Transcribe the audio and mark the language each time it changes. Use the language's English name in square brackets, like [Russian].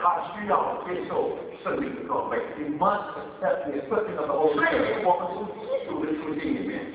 [Chinese] 他需要接受圣灵的装备。 [English] He must accept the equipping of the Holy Spirit. [Chinese] 所以我们从一组的书信里面。